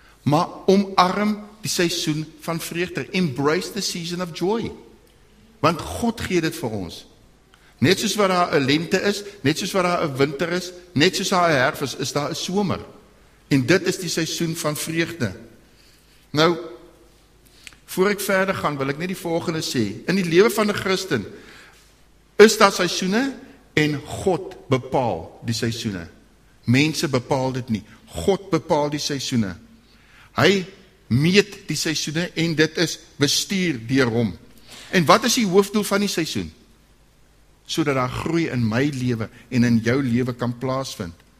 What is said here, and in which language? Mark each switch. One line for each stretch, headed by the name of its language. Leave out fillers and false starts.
Afrikaans: Maar omarm die seisoen van vreugde.
English: Embrace the season of joy.
Afrikaans: Want God gee dit vir ons. Net soos wat daar 'n lente is, net soos wat daar 'n winter is, net soos daar 'n herfs is, is daar 'n somer. En dit is die seisoen van vreugde. Nou, voor ek verder gaan, wil ek net die volgende sê. In die lewe van 'n Christen is daar seisoene en God bepaal die seisoene. Mense bepaal dit nie. God bepaal die seisoene. Hy meet die seisoene en dit is bestuur deur hom. En wat is die hoofdoel van die seisoen? Sodat daar groei in my lewe en in jou lewe kan plaasvind.